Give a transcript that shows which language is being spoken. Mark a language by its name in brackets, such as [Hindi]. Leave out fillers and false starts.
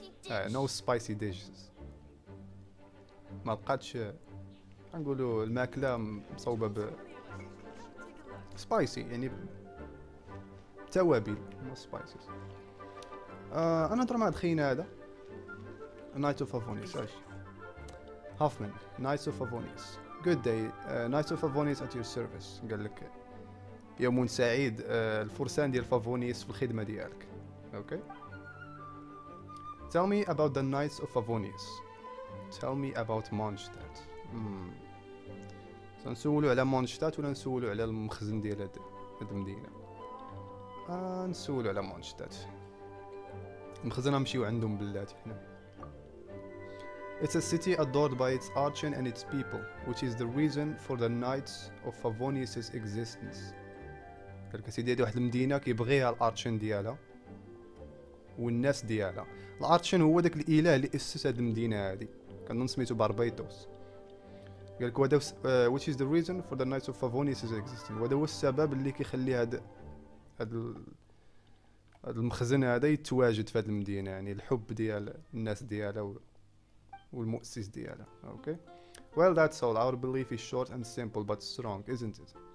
[English] no spicy dishes, [Arabic] ما بقاتش نقولوا الماكله مصوبه ب سبايسي، يعني توابل مو سبايسي. انا نهضر مع دخينا هذا نايتو فافونيس هافمن. [English] Knights of Favonius good day nice of Favonis at your service. [Arabic] قال لك يوم سعيد، الفرسان ديال فافونيس في الخدمه ديالك. [English] Okay, tell me about the knights of Favonis. Tell me about Mondstadt. [Arabic] سنسولو على مونشتات ولا نسولو على المخزن ديال هاد المدينه؟ نسولو على مونشتات، المخزن نمشيو عندهم بلاتي حنا. [English] It's a city adored by its archon and its people, which is the reason for the knights of Favonius's existence. [Arabic] قالك سيدي هاد واحد المدينه كيبغيها الارشن ديالها والناس ديالها. الارشن هو داك الاله اللي اسس هاد المدينه هادي، كنظن سميتو باربيتوس. قالك هذا [English] which is the reason for the knights of Favonius's existence. [Arabic] وهذا هو السبب اللي كيخلي هاد المخزن هذا يتواجد في هاد المدينه، يعني الحب ديال الناس ديالها والمؤسس ديالها. [English] Okay, well that's all. Our belief is short and simple but strong, isn't it?